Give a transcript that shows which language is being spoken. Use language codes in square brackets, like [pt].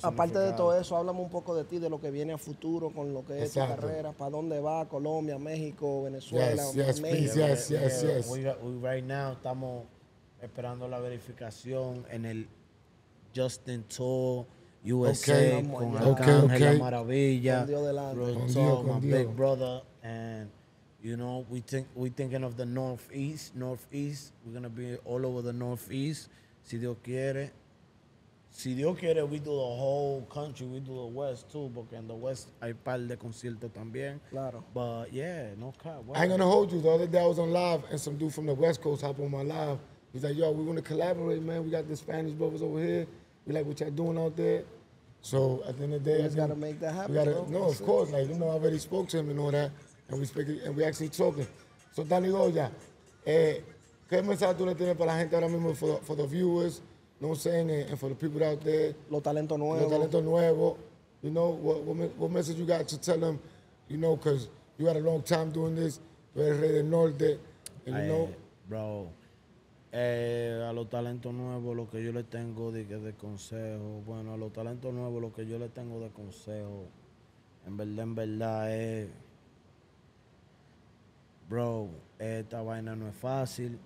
[es] aparte de todo eso, háblame un poco de ti, de lo que viene a futuro con lo que es tu carrera. ¿Para dónde va? ¿Colombia, México, Venezuela? [en] Yes, please. We right now [es] estamos esperando la verificación en el Justin Tour USA con Arcángel La Maravilla. Con Dios delante. [en] Big brother. And, you know, we thinking of the Northeast. We're going to be all over the Northeast. [es] Si Dios quiere, [en] we do the whole country, we do the West too, [es] porque en [en] the West [es] hay par de conciertos también. Claro. [en] But yeah, no cap. Well, I ain't gonna hold you. The other day I was on live and some dude from the West Coast hopped on my live. He's like, yo, we're gonna collaborate, man. We got the Spanish brothers over here. We like what you're doing out there. So at the end of the day, you gotta make that happen. Of course. Like, you know, I already spoke to him and all that. And we speak, and we actually talking. So Danny Goya, [es] ¿qué mensaje tú le tienes para la gente ahora mismo, [en] for the viewers, no saying, and for the people out there? [es] Los talentos nuevos. [en] You know, what message you got to tell them, you know, because you had a long time doing this, [es] pero [en] Rey del Norte, and you know. [es] Bro, a los talentos nuevos, lo que yo le tengo de consejo, bueno, a los talentos nuevos, lo que yo le tengo de consejo, en verdad, bro, esta vaina no es fácil.